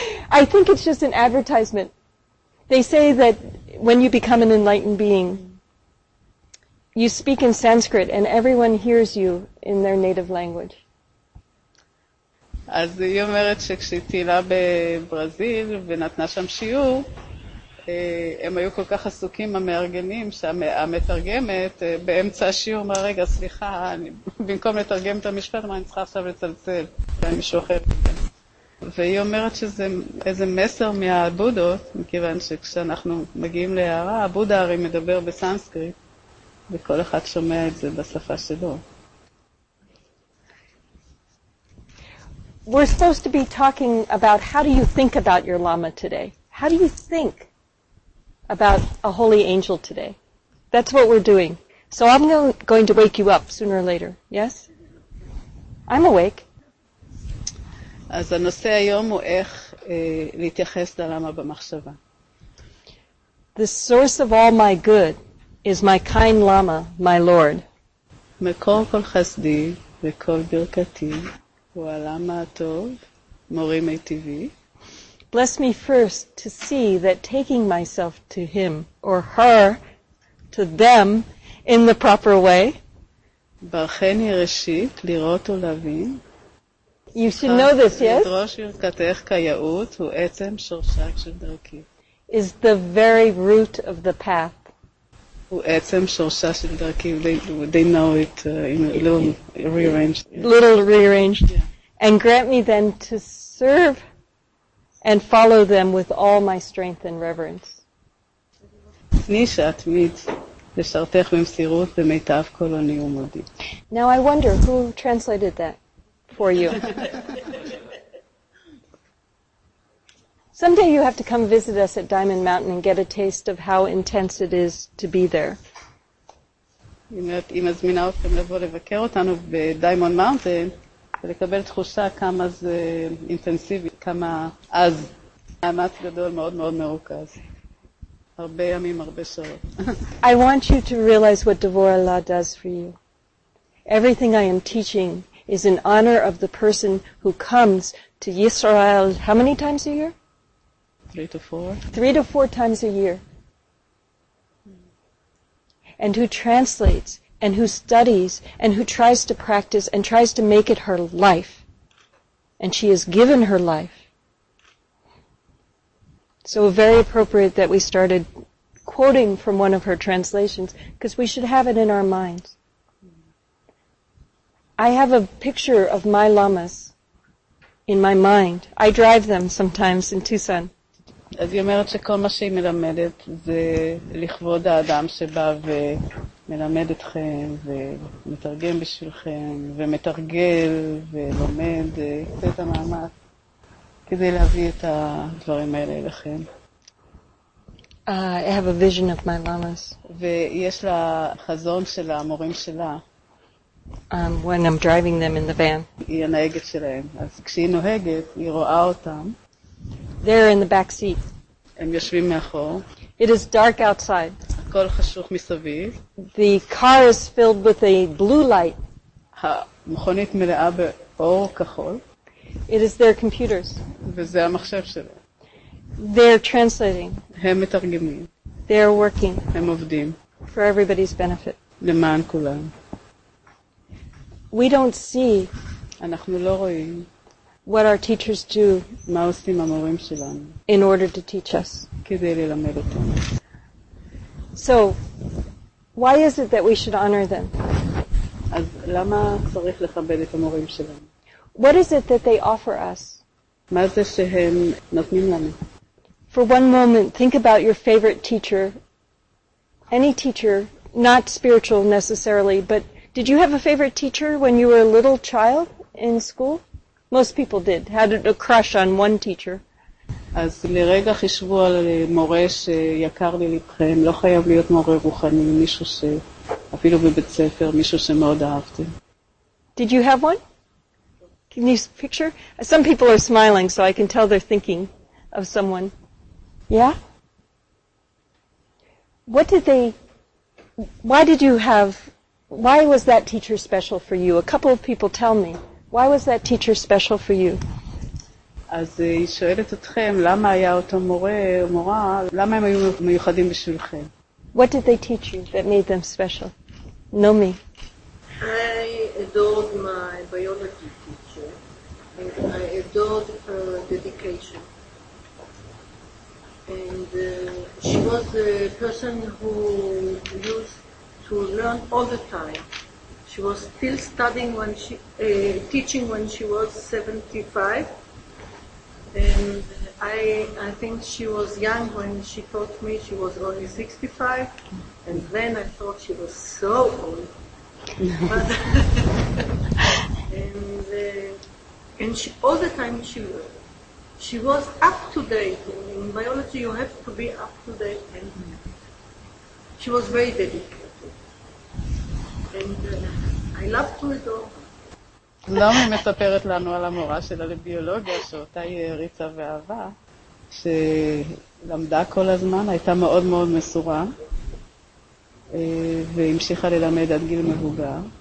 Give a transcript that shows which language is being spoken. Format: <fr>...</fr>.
<en>I think it's just an advertisement. They say that when you become an enlightened being, you speak in Sanskrit and everyone hears you in their native language.</en> <he>אז היא אומרת שכשהיא טיילה בברזיל ונתנה שם שיעור, הם היו כל כך עסוקים המארגנים שהמתרגמת באמצע השיעור אומרה, "רגע, סליחה, אני, במקום לתרגם את המשפט, אני צריכה עכשיו לצלצל, אני משוחר." והיא אומרת שזה איזה מסר מהבודות, מכיוון שכשאנחנו מגיעים להערה, הבודה הרי מדבר בסנסקריט, וכל אחד שומע את זה בשפה שלו.</he> <en>We're supposed to be talking about how do you think about your lama today? How do you think about a holy angel today? That's what we're doing. So I'm going to wake you up sooner or later. Yes? I'm awake.</en> <he>אז הנושא היום הוא איך להתייחס ללמה במחשבה.</he> <en>The source of all my good is my kind Lama, my Lord.</en> <he>מקור כל חסדי וכל ברכתי הוא הלמה הטוב, מורי מיטיבי.</he> <en>Bless me first to see that taking myself to him or her, to them, in the proper way.</en> <he>ברכני ראשית לראות ולהבין.</he> <en>You should know this, yes?</en> <he>לדרוש ברכתך כיאות הוא עצם שורשה של דרכי.</he> <en>Is the very root of the path.</en> <he>הוא עצם שורשה של דרכי.</he> <en>They know it in a little rearranged. Little rearranged. Yeah. And grant me then to serve and follow them with all my strength and reverence.</en> <he>תני שאתמיד לשרתך במסירות במיטב כל אוני ומודי.</he> <en>Now I wonder who translated that for you. Someday you have to come visit us at Diamond Mountain and get a taste of how intense it is to be there.</en> <he>אם הזמינה אתכם לבוא לבקר אותנו בדיימונד מאונטן, ולקבל תחושה כמה זה אינטנסיבי, כמה אז. מאמץ גדול מאוד מאוד מרוכז. הרבה ימים, הרבה שעות.</he> <en>I want you to realize what Devora Law does for you. Everything I am teaching is in honor of the person who comes to Yisrael, how many times a year? 3 to 4 times a year. And who translates and who studies and who tries to practice and tries to make it her life. And she has given her life. So very appropriate that we started quoting from one of her translations, because we should have it in our minds. I have a picture of my lamas in my mind. I drive them sometimes in Tucson.</en> <he>אז היא אומרת שכל מה שהיא מלמדת זה לכבוד האדם שבא ומלמד אתכם ומתרגם בשבילכם ומתרגל ולומד את המאמץ כדי להביא את הדברים האלה אליכם.</he> <en>I have a vision of my lamas.</en> <he>ויש לה חזון של המורים שלה.</he> <en>When I'm driving them in the van.</en> <he>היא הנהגת שלהם. אז כשהיא נוהגת, היא רואה אותם.</he> <en>They're in the back seat.</en> <he>הם יושבים מאחור.</he> <en>It is dark outside.</en> <he>הכל חשוך מסביב.</he> <en>The car is filled with a blue light.</en> <he>המכונית מלאה באור כחול.</he> <en>It is their computers.</en> <he>וזה המחשב שלהם.</he> <en>They're translating.</en> <he>הם מתרגמים.</he> <en>They're working.</en> <he>הם עובדים.</he> <en>For everybody's benefit.</en> <he>למען כולם.</he> <en>We don't see.</en> <he>אנחנו לא רואים.</he> <en>What our teachers do,</en> <he>מה עושים המורים שלנו,</he> <en>in order to teach us,</en> <he>כדי ללמד אותנו.</he> <en>So, why is it that we should honor them?</en> <he>אז למה צריך לכבד את המורים שלנו?</he> <en>What is it that they offer us?</en> <he>מה זה שהם נותנים לנו?</he> <en>For one moment, think about your favorite teacher, any teacher, not spiritual necessarily, but did you have a favorite teacher when you were a little child in school? Most people did. Had a crush on one teacher.</en> <he>אז לרגע חשבו על מורה שיקר ללבכם, לא חייב להיות מורה רוחני, מישהו ש... אפילו בבית ספר, מישהו שמאוד אהבתי.</he> <en>Did you have one? Can you picture? Some people are smiling, so I can tell they're thinking of someone. Yeah? What did they... Why did you have... Why was that teacher special for you? A couple of people tell me. Why was that teacher special for you?</en> <he>אז היא שואלת אתכם, למה היה אותו מורה או מורה, למה הם היו מיוחדים בשבילכם?</he> <en>What did they teach you that made them special? Nomi. I adored my biology teacher. And I adored her dedication. And she was the person who used to learn all the time. She was still studying when she teaching when she was 75. And I think she was young when she taught me. She was only 65. And then I thought she was so old. and she, all the time she was up to date. In biology you have to be up to date, and she was very dedicated. And I love to adore.</en> <he>למה מספרת לנו על המורה שלה לביולוגיה שאותה היא הריצה ואהבה, שלמדה כל הזמן, הייתה מאוד מאוד מסורה, והמשיכה ללמד עד גיל מבוגר.</he>